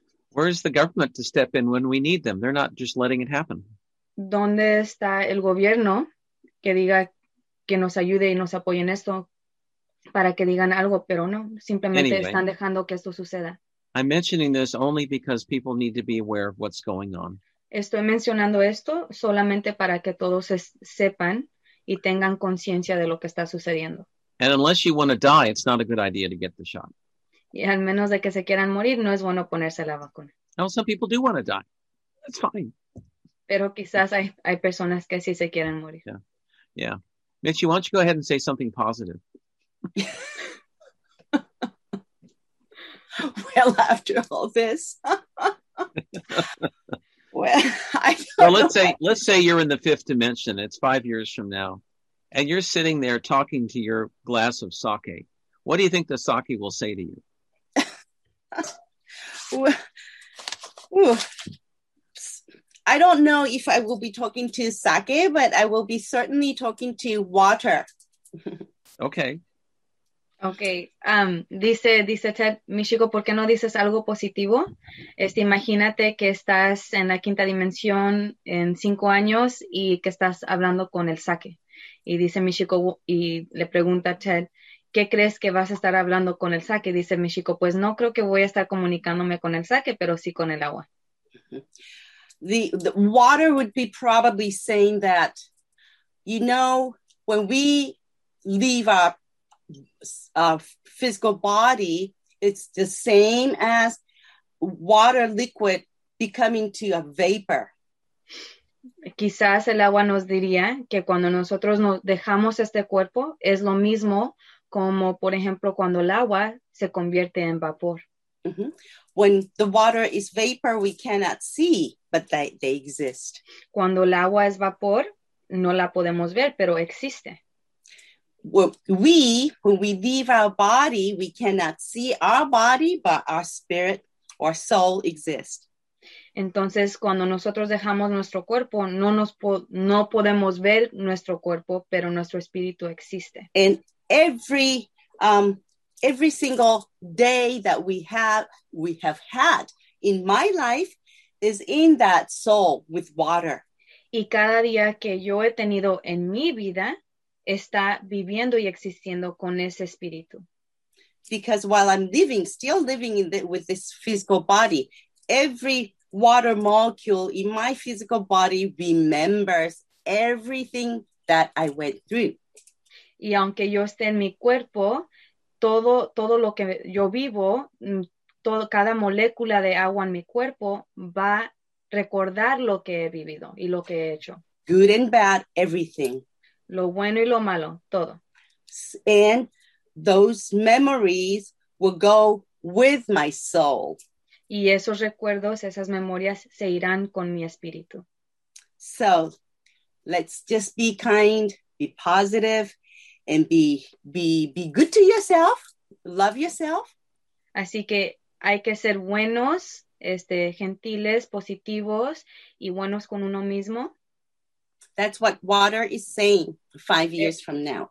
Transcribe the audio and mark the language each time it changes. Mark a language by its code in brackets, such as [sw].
[en] Where's the government to step in when we need them? They're not just letting it happen. [es] ¿Dónde está el gobierno que diga que nos ayude y nos apoye en esto para que digan algo, pero no, simplemente [en] anyway, [es] están dejando que esto suceda. [en] I'm mentioning this only because people need to be aware of what's going on. [es] Estoy mencionando esto solamente para que todos sepan y tengan conciencia de lo que está sucediendo. [en] And unless you want to die, it's not a good idea to get the shot. [es] Y al menos de que se quieran morir, no es bueno ponerse la vacuna. [en] Now, some people do want to die. That's fine. [es] Pero quizás hay personas que sí se quieren morir. [en] Yeah. Yeah. Mitchie, why don't you go ahead and say something positive? Well, after all this, let's say you're in the fifth dimension. It's 5 years from now, and you're sitting there talking to your glass of sake. What do you think the sake will say to you? I don't know if I will be talking to sake, but I will be certainly talking to water. Okay. Okay. [es] Dice Ted, Michiko, ¿por qué no dices algo positivo? Imagínate que estás en la quinta dimensión en 5 años y que estás hablando con el sake. Y dice Michiko, y le pregunta a Ted, ¿qué crees que vas a estar hablando con el sake? Dice Michiko, pues no creo que voy a estar comunicándome con el sake, pero sí con el agua. [en] The water would be probably saying that, you know, when we leave our physical body, it's the same as water liquid becoming to a vapor. [es] Quizás el agua nos diría que cuando nosotros nos dejamos este cuerpo, es lo mismo como, por ejemplo, cuando el agua se convierte en vapor. Mm-hmm. [en] When the water is vapor, we cannot see, but they exist. [es] Cuando el agua es vapor, no la podemos ver, pero existe. [en] When we leave our body, we cannot see our body, but our spirit or soul exists. [es] Entonces, cuando nosotros dejamos nuestro cuerpo, no podemos ver nuestro cuerpo, pero nuestro espíritu existe. [en] And every single day that we have had in my life is in that soul with water. [es] Y cada día que yo he tenido en mi vida está viviendo y existiendo con ese espíritu. [en] Because while I'm living, still living with this physical body, every water molecule in my physical body remembers everything that I went through. [es] Y aunque yo esté en mi cuerpo, todo lo que yo vivo, cada molécula de agua en mi cuerpo va recordar lo que he vivido y lo que he hecho. [en] Good and bad, everything. [es] Lo bueno y lo malo, todo. [en] And those memories will go with my soul. [es] Y esos recuerdos, esas memorias, se irán con mi espíritu. [en] So, let's just be kind, be positive, and be good to yourself. Love yourself. [es] Así que hay que ser buenos, gentiles, positivos, y buenos con uno mismo. [en] That's what water is saying 5 years from now.